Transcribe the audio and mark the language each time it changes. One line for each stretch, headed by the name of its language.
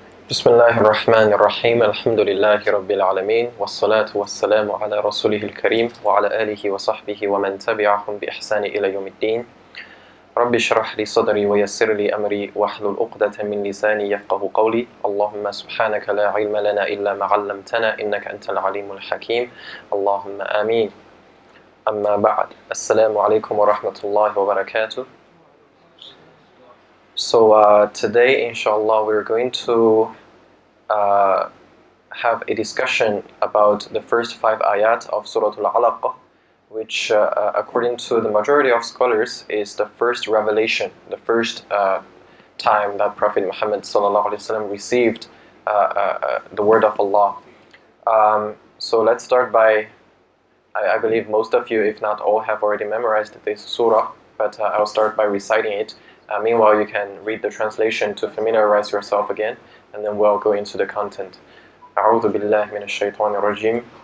Arabic: بسم الله الرحمن الرحيم الحمد لله رب العالمين والصلاة والسلام على رسوله الكريم وعلى آله وصحبه ومن تبعهم بإحسان إلى يوم الدين رب اشرح لي صدري ويسر لي أمري واحلل عقدة من لساني يفقه قولي اللهم سبحانك لا علم لنا إلا ما علمتنا إنك أنت العليم الحكيم اللهم آمين أما بعد السلام عليكم ورحمة الله وبركاته.
English: So today, inshallah, we're going to have a discussion about the first five ayat of Surah Al-Alaq, which according to the majority of scholars is the first revelation, the first time that Prophet Muhammad sallallahu alaihi wasallam received the word of Allah. So let's start by, I believe most of you, if not all, have already memorized this surah, but I'll start by reciting it. Meanwhile, you can read the translation to familiarize yourself again, and then we'll go into the content.
Arabic: أعوذ بالله من الشيطان الرجيم.